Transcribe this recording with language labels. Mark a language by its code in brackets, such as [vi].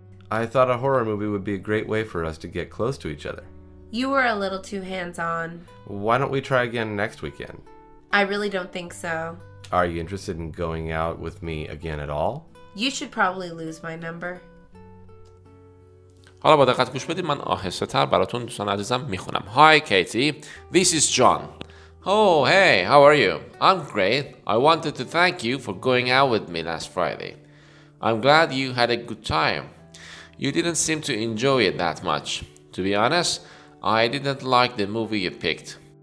[en] I thought a horror movie would be a great way for us to get close to each other. You were a little too hands-on. Why don't we try again next weekend? I really don't think so. Are you interested in going out with me again at all? You should probably lose my number. [fa] حالا با دقت گوش بدید، من آهسته تر براتون دوستان عزیزم میخونم. [en] Hi Katie, this is John. Oh hey, how are you? I'm great. I wanted to thank you for going out with me last Friday. I'm glad you had a good time. You didn't seem to enjoy it that much. To be honest, I didn't like the movie you picked.